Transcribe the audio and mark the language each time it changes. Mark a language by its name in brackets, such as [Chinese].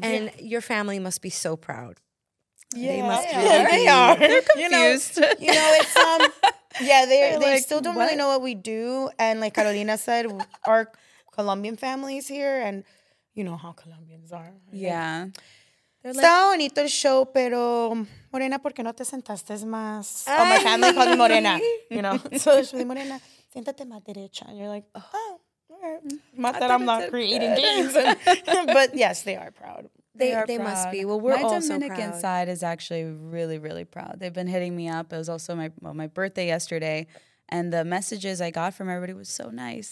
[English] And your family must be so proud. Yeah, they must be. Yeah, they are. They're confused. You know, it's they like, still don't really know what we do. And like Carolina said, our Colombian family is here, and you know how Colombians are. Right? Yeah. [Spanish] Está bonito el show, pero Morena, ¿por qué no te sentaste más? [English] Oh, my family called me Morena. You know, so it's really Morena. Siéntate más derecha. And you're like, oh, all right. Not that I'm not creating games, but yes, they are proud. They must be. Well, we're all so proud. My Dominican side is actually really, really proud. They've been hitting me up. It was also my birthday yesterday. And the messages I got from everybody was so nice.